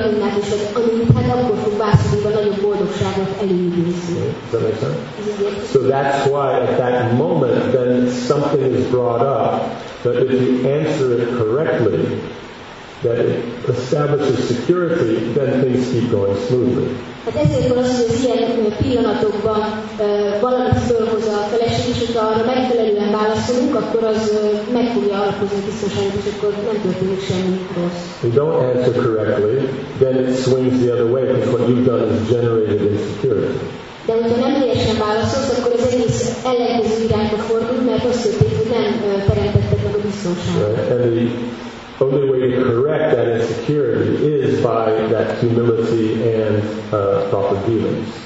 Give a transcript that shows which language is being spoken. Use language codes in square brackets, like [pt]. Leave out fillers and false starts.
[en] that make sense? So that's why at that moment then something is brought up, that if you answer it correctly, that it establishes security, then things keep going smoothly. [hu] Hát ezért van az, hogy az ilyen pillanatokban valamit fölhoz a feleség, hogyha arra megfelelően válaszolunk, akkor az meg fogja alapozni a biztonságot, és akkor nem történik semmi rossz. [en] You don't answer correctly, then it swings the other way, because what you've done is generated insecurity. [hu] De hogyha nem helyesen válaszolsz, akkor az egész ellenkező irányba fordul, mert azt történik, hogy nem teremtettek meg a biztonságot. [en] Right. The only way to correct that insecurity is by that humility and proper dealings.